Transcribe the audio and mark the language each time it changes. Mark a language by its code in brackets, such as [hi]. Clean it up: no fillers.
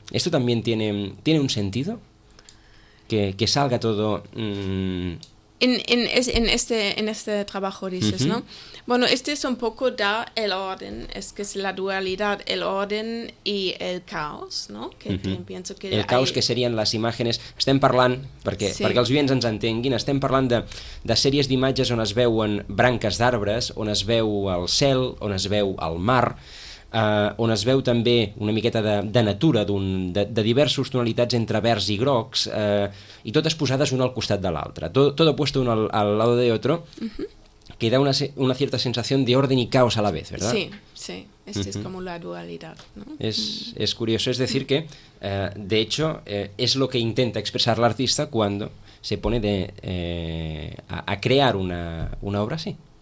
[es] ¿Esto también tiene un sentido? Que salga todo... En este trabajo dices, ¿no? Bueno, este es un poco da el orden, es que es la dualidad, el orden y el caos, ¿no? Que pienso que [ca] el caos que serien les imatges. Estem parlant, perquè els oients ens entenguin, estem parlant de sèries d'imatges on es veuen branques d'arbres, on es veu el cel, on es veu el mar, on es veu també una miqueta de natura, de diversos tonalitats entre verds i grocs, i totes posades una al costat de l'altra. [es] Todo puesto uno al lado de otro, que da una cierta sensación de orden y caos a la vez, ¿verdad? Sí, sí. Es como la dualidad, ¿no? Es curioso. Es decir que, de hecho, es lo que intenta expresar el artista cuando se pone a crear una obra así.